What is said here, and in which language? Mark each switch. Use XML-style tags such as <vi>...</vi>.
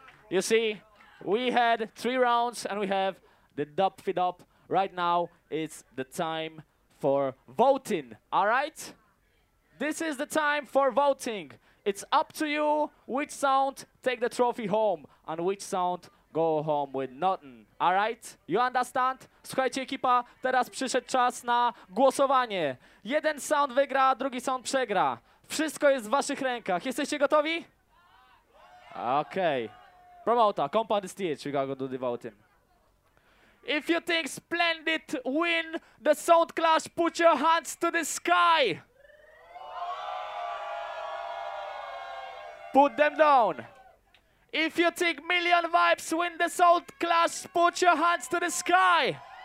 <en>You see, we had three rounds and we have the dub feed up. Right now, it's the time for voting, all right? This is the time for voting. It's up to you which sound take the trophy home and which sound go home with nothing, all right? You understand?</en> <pl>Słuchajcie, ekipa, teraz przyszedł czas na głosowanie. Jeden sound wygra, drugi sound przegra. Wszystko jest w waszych rękach. Jesteście gotowi? Okay.</pl> <en>Promoter, come on the stage, we gotta do the voting. If you think Splendid win the Sound Clash, put your hands to the sky. Put them down. If you think Million Vibes win the Sound Clash, put your hands to the sky.</en>